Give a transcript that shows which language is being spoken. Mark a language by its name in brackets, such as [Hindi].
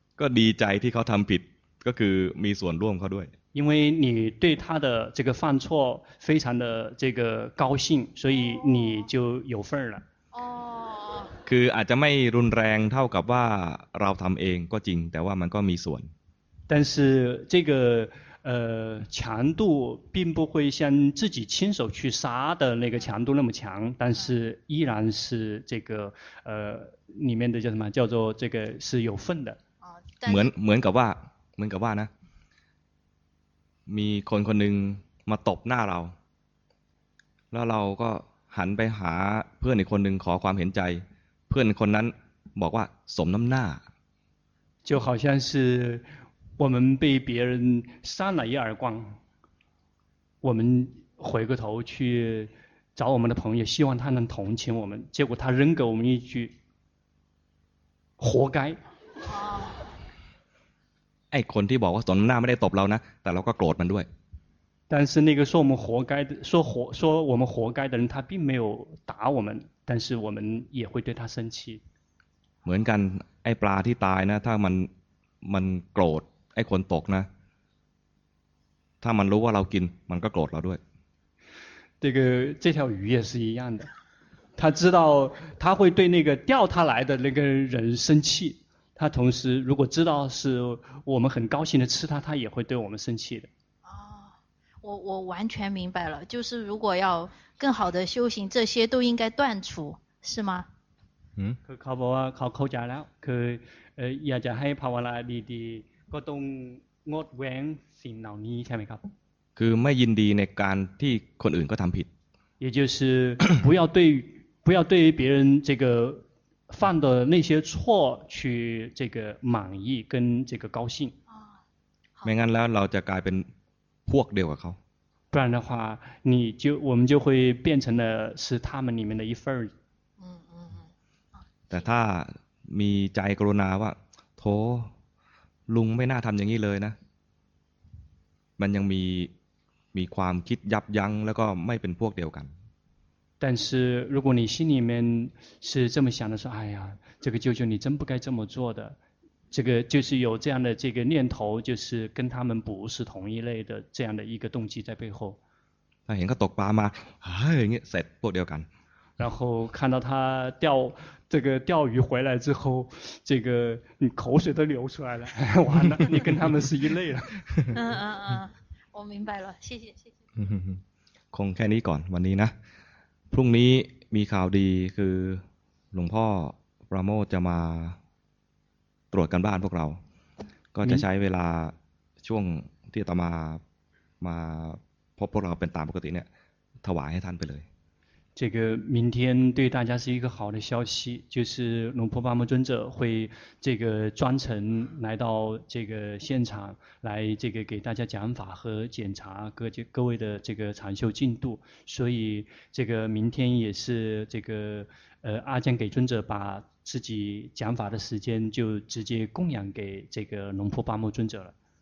[Thai] ก็ดีใจที่เขาทำผิดก็คือมีส่วนร่วมเขาด้วย [Chinese] 因为你对他的这个犯错非常的这个高兴所以你就有份了 [Thai] คืออาจจะไม่รุนแรงเท่ากับว่าเราทำเองก็จริงแต่ว่ามันก็มีส่วน [Chinese] 但是这个强度并不会像自己亲手去杀的那个强度那么强，但是依然是这个里面的叫什么叫做这个是有份的。 [Thai] เหมือนกับว่า呢，มีคนคนหนึ่งมาตบหน้าเราแล้วเราก็หันไปหาเพื่อนอีกคนหนึ่งขอความเห็นใจเพื่อนคนนั้นบอกว่าสมน้ำหน้า [Chinese] 就好像是我们被别人扇了一耳光，我们回过头去找我们的朋友，希望他能同情我们，结果他扔给我们一句“活该”。 [Thai] 哎，คนที่บอกว่าสมน้ำหน้าไม่ได้ตบเรานะ，แต่เราก็โกรธมันด้วย。 [Chinese] 但是那个说我们活该的、说我们活该的人，他并没有打我们，但是我们也会对他生气。 [Thai] เหมือนกัน，ไอ้ปลาที่ตายนะ，ถ้ามันโกรธไอ้คนตกนะถ้ามันรู้ว่าเรากินมันก็โกรธเราด้วย [Chinese] 这个这条鱼也是一样的他知道他会对那个钓他来的那个人生气他同时如果知道是我们很高兴的吃他他也会对我们生气的我完全明白了就是如果要更好的修行这些都应该断除是吗可靠不啊靠口假了可 [Thai] อยากจะให้ภาวนาดีก็ต้องงดเว้นสิ่งเหล่านี้ใช่ไหมครับ คือไม่ยินดีในการที่คนอื่นก็ทำผิด [Chinese] 也就是不要对别人这个犯的那些错去这个满意跟这个高兴 [Thai] ไม่งั้นแล้วเราจะกลายเป็นพวกเดียวกับเขา [Chinese] 不然的话你就我们就会变成了是他们里面的一份儿 [Thai] แต่ถ้ามีใจกรุณาว่าโถลุงไม่น่าทำอย่างนี้เลยนะมันยังมีความคิดยับยั้งแล้วก็ไม่เป็นพวกเดียวกัน [Chinese] 但是如果你心里面是这么想的说哎呀这个舅舅你真不该这么做的这个就是有这样的这个念头就是跟他们不是同一类的这样的一个动机在背后 [Thai] เห็นเขาตกปลามาเฮ้ยเสร็จพวกเดียวกัน [Chinese] 然后看到他钓这个钓鱼回来之后这个你口水都流出来了完了你跟他们是一类了我明白了谢谢 [Thai] คงแค่นี้ก่อนวันนี้นะพรุ่งนี้มีข่าวดีคือหลวงพ่อปราโมทจะมาตรวจกันบ้านพวกเราก็จะใช้เวลาช่วงที่ตามาพบพวกเราเป็นตามปกติเนี่ยถวายให้ท่านไปเลย [Chinese] 这个明天对大家是一个好的消息就是龙婆巴摩尊者会这个专程来到这个现场来这个给大家讲法和检查各位的这个禅修进度所以这个明天也是这个阿姜给尊者把自己讲法的时间就直接供养给这个龙婆巴摩尊者了